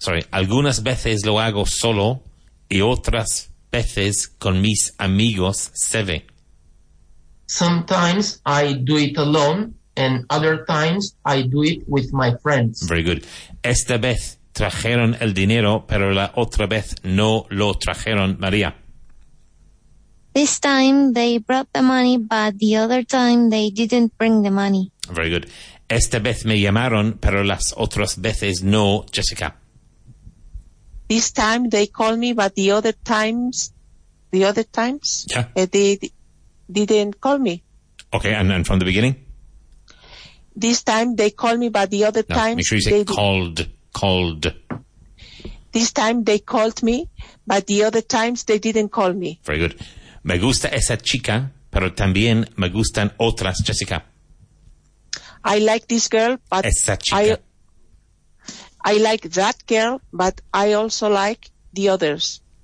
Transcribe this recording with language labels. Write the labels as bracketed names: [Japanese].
[Spanish] Algunas veces lo hago solo y otras veces con mis amigos, Seve. [English] Sometimes I do it alone and other times I do it with my friends. Very good. [Spanish] Esta vez trajeron el dinero, pero la otra vez no lo trajeron, María. [English] This time they brought the money, but the other time they didn't bring the money. Very good. [Spanish] Esta vez me llamaron, pero las otras veces no, Jessica. [English] This time they called me, but the other times, yeah. they didn't call me. Okay, and from the beginning? This time they called me, but the other times... Make sure you say called. This time they called me, but the other times they didn't call me. Very good. [Spanish] Me gusta esa chica, pero también me gustan otras, Jessica. [English] I like this girl, but... [Spanish] Esa chica. [English] I like that girl, but I also like the others.